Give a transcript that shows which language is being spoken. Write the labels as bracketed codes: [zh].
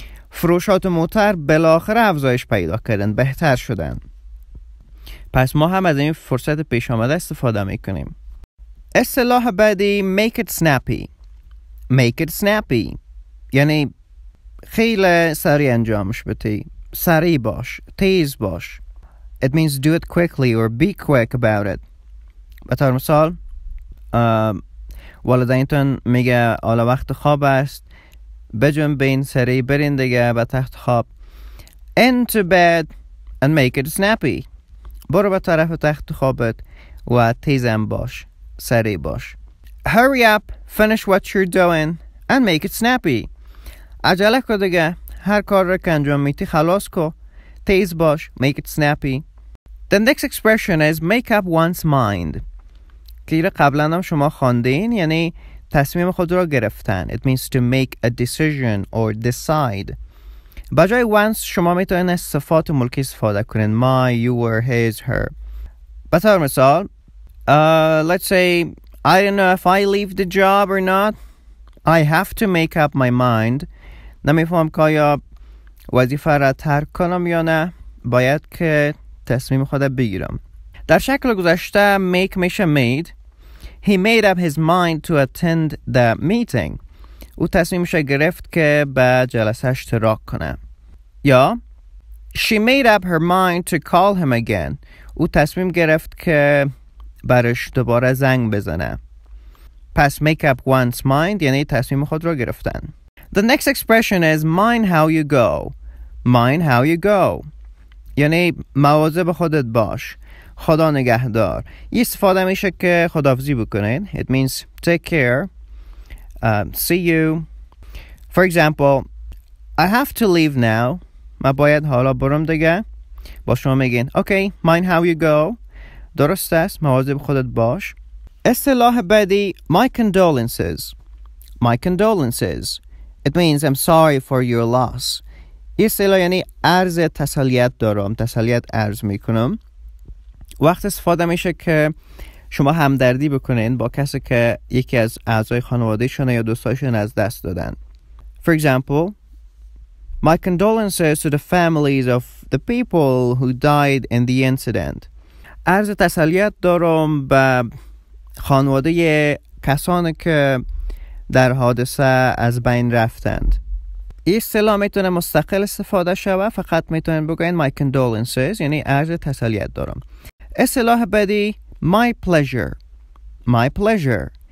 [fa] فروشات موتر بالاخره افزایش پیدا کردن، بهتر شدن. پس ما هم از این فرصت پیش آمده استفاده میکنیم. اصطلاح بعدی [en] make it snappy. Make it snappy. [fa] یعنی خیلی سریع انجامش بده. سریع باش. تیز باش. [en] It means do it quickly or be quick about it. [fa] به طور مثال والدینتون میگه حالا وقت خواب است. بجنبین سریع برین دیگه به تخت خواب. [en] Into bed and make it snappy. [fa] برو به طرف تخت خوابت و تیزم باش. سریع باش. [en] Hurry up, finish what you're doing and make it snappy. [fa] عجله کن دیگه، هر کار را که انجام میدی خلاص کن. تیز باش. [en] Make it snappy. The next expression is make up one's mind. [fa] که قبلا هم شما خواندین، یعنی تصمیم خود را گرفتن. [en] It means to make a decision or decide. [fa] بجای once شما میتونین صفات ملکی استفاده کنین. [en] My, your, his, her. [fa] به طور مثال [en] let's say I don't know if I leave the job or not. I have to make up my mind. [fa] نمیفهم که یا وظیفه را ترک کنم یا نه. باید که تصمیم خود بگیرم. در شکل گذشته make میشه made. [en] He made up his mind to attend the meeting. [fa] او تصمیمش را گرفت که به جلسه اشتراک کنه. یا [en] She made up her mind to call him again. [fa] او تصمیم گرفت که برش دوباره زنگ بزنه. پس make up one's mind یعنی تصمیم خود را گرفتن. [en] The next expression is mind how you go. Mind how you go. [fa] یعنی مواظب خودت باش. خدا نگهدار. یه استفاده میشه که خداحافظی بکنین. [en] It means take care. See you. For example, I have to leave now. [fa] من باید حالا برم دیگه. با شما میگین [en] Okay, mind how you go. [fa] درست است، مواظب خودت باش. اصطلاح بعدی My condolences. [en] My condolences. It means I'm sorry for your loss. [fa] اصطلاح یعنی عرض تسلیت دارم، تسلیت عرض میکنم. وقت استفاده میشه که شما همدردی بکنین با کسی که یکی از اعضای خانوادهشون یا دوستاشون از دست دادن. [en] For example, My condolences to the families of the people who died in the incident. [fa] عرض تسلیت دارم به خانواده کسانی که در حادثه از بین رفتند. این اصطلاح میتونه مستقل استفاده شود، فقط میتونه بگوین My condolences یعنی عرض تسلیت دارم. اصطلاح بعدی [en] My pleasure. My pleasure.